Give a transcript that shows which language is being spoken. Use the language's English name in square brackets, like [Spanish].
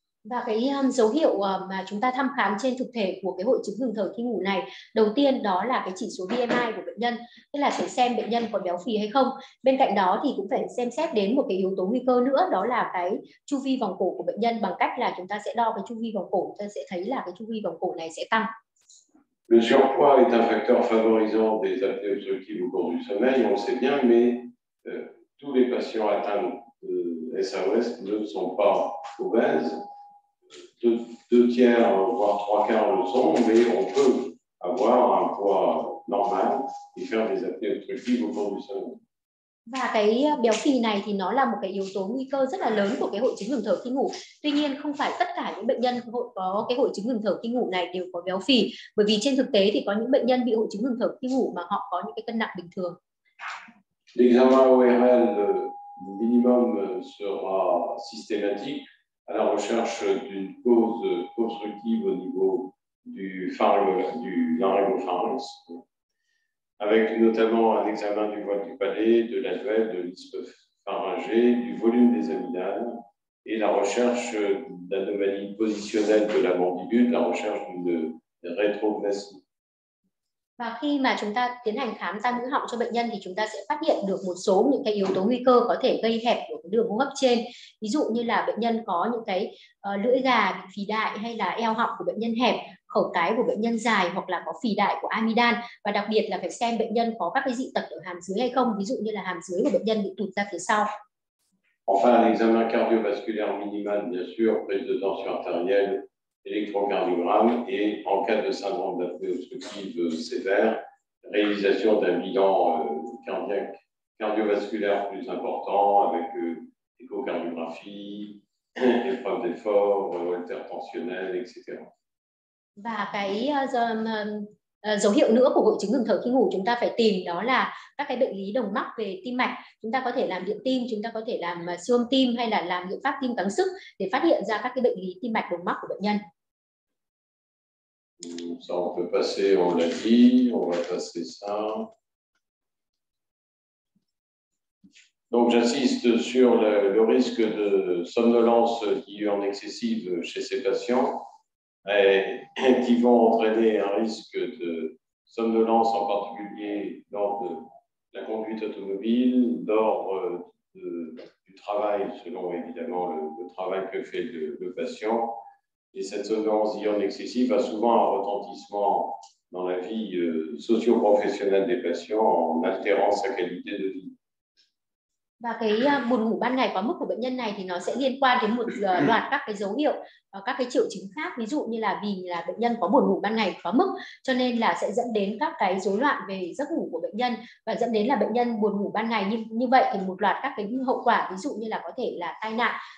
[Vietnamese] Và cái dấu hiệu mà chúng ta thăm khám trên thực thể của cái hội chứng ngừng thở khi ngủ này, đầu tiên đó là cái chỉ số BMI của bệnh nhân, tức là phải xem bệnh nhân có béo phì hay không. Bên cạnh đó thì cũng phải xem xét đến một cái yếu tố nguy cơ nữa, đó là cái chu vi vòng cổ của bệnh nhân, bằng cách là chúng ta sẽ đo cái chu vi vòng cổ, ta sẽ thấy là cái chu vi vòng cổ này sẽ tăng. [French] Le surpoids est un facteur favorisant des apnées obstructives au cours du sommeil, on sait bien, mais tous les patients atteints de SAOS ne sont pas obèses. Deux tiers, voire trois quarts le sont, mais on peut avoir un poids normal et faire des apnées obstructives au cours du sommeil. [Vietnamese] Và cái béo phì này thì nó là một cái yếu tố nguy cơ rất là lớn của cái hội chứng ngừng thở khi ngủ. Tuy nhiên không phải tất cả những bệnh nhân có cái hội chứng ngừng thở khi ngủ này đều có béo phì. Bởi vì trên thực tế thì có những bệnh nhân bị hội chứng ngừng thở khi ngủ mà họ có những cái cân nặng bình thường. [French] L'examen ORL minimum sera systématique à la recherche d'une cause obstructive au niveau du laryngopharynx. Avec notamment un examen du voile du palais, de l'alvéole, de l'ispharyngé, du volume des amygdales et la recherche d'anomalies positionnelles de la mandibule, la recherche d'une rétrogression. [Vietnamese] Và khi mà chúng ta tiến hành khám tai mũi họng cho bệnh nhân thì chúng ta sẽ phát hiện được một số những cái yếu tố nguy cơ có thể gây hẹp của đường hô hấp trên. Ví dụ như là bệnh nhân có những cái lưỡi gà bị phì đại hay là eo họng của bệnh nhân hẹp, khẩu cái của bệnh nhân dài hoặc là có phì đại của amidan. Và đặc biệt là phải xem bệnh nhân có các cái dị tật ở hàm dưới hay không, ví dụ như là hàm dưới của bệnh nhân bị tụt ra phía sau. [French] Enfin, un examen cardiovasculaire minimal, bien sûr, prise de tension artérielle, électrocardiogramme et en cas de syndrome d'apnée obstructive sévère, réalisation d'un bilan cardiaque cardiovasculaire plus important avec échocardiographie, épreuve d'effort, haltère tensionnel, etc. [Vietnamese] Và cái dấu hiệu nữa của hội chứng ngừng thở khi ngủ chúng ta phải tìm đó là các cái bệnh lý đồng mắc về tim mạch. Chúng ta có thể làm điện tim, chúng ta có thể làm siêu âm tim hay là làm liệu pháp tim gắng sức để phát hiện ra các cái bệnh lý tim mạch đồng mắc của bệnh nhân. [French] Ça, on peut passer, on l'a dit, on va passer ça. Donc, j'insiste sur le risque de somnolence diurne excessive chez ces patients et qui vont entraîner un risque de somnolence, en particulier lors de la conduite automobile, lors du travail, selon évidemment le travail que fait le patient. Et cette somnolence diurne excessive a souvent un retentissement dans la vie socio-professionnelle des patients en altérant sa qualité de vie. [Vietnamese] Và cái buồn ngủ ban ngày quá mức của bệnh nhân này thì nó sẽ liên quan đến một loạt các cái dấu hiệu, các cái triệu chứng khác, ví dụ như là vì là bệnh nhân có buồn ngủ ban ngày quá mức cho nên là sẽ dẫn đến các cái rối loạn về giấc ngủ của bệnh nhân và dẫn đến là bệnh nhân buồn ngủ ban ngày như vậy thì một loạt các cái hậu quả, ví dụ như là có thể là tai nạn